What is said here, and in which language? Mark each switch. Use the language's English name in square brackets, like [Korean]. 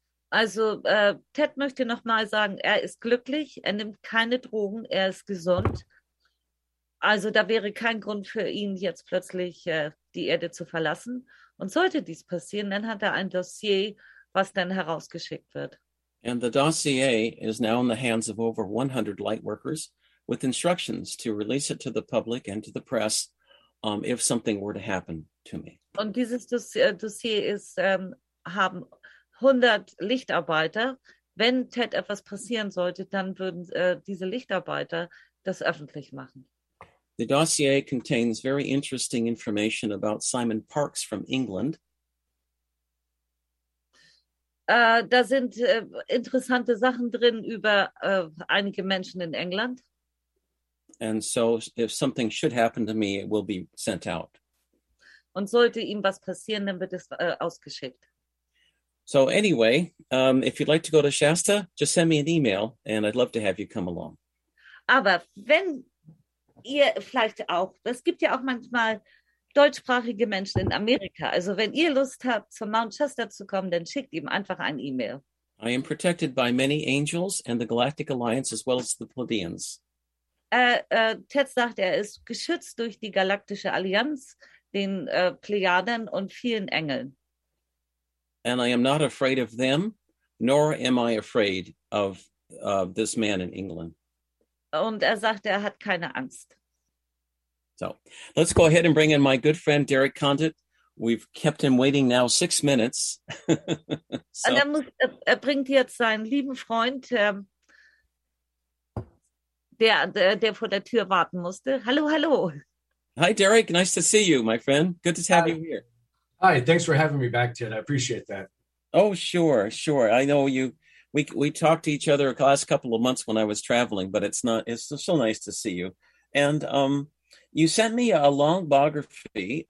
[German] Also, Ted möchte noch mal sagen, er ist glücklich, er nimmt keine Drogen, er ist gesund. Also, da wäre kein Grund für ihn, jetzt plötzlich die Erde zu verlassen. Und sollte dies passieren, dann hat er ein Dossier, was dann herausgeschickt wird. [English] And the dossier is now in the hands of over 100 light workers with instructions to release it to the public and to the press if something were to happen to me. [German] Und dieses Dossier ist, haben 100 Lichtarbeiter. Wenn Ted etwas passieren sollte, dann würden diese Lichtarbeiter das öffentlich machen. [English] The dossier contains very interesting information about Simon Parks from England. [German] Da sind interessante Sachen drin über einige Menschen in England. [English] And so if something should happen to me, it will be sent out. [German] Und sollte ihm was passieren, dann wird es ausgeschickt. [English] So anyway, if you'd like to go to Shasta, just send me an email and I'd love to have you come along. [German] Aber wenn ihr vielleicht auch, es gibt ja auch manchmal deutschsprachige Menschen in Amerika. Also wenn ihr Lust habt, zu Mount Shasta zu kommen, dann schickt ihm einfach ein E-Mail. [English] I am protected by many angels and the Galactic Alliance as well as the Pleiadians. [German] Ted sagt, er ist geschützt durch die Galaktische Allianz, den Plejaden und vielen Engeln. [English] And I am not afraid of them, nor am I afraid of this man in England. [German] Und er sagt, er hat keine Angst. [English] So let's go ahead and bring in my good friend, Derek Condit. We've kept him waiting now 6 minutes. So. [German] Und er bringt jetzt seinen lieben Freund, der vor der Tür warten musste. Hallo, hallo. [English] Hi, Derek. Nice to see you, my friend. Good to have you here. Hi. Thanks for having me back, Ted. I appreciate that. Oh, sure. Sure. I know you. We talked to each other the last couple of months when I was traveling, but it's so nice to see you. And you sent me a long biography.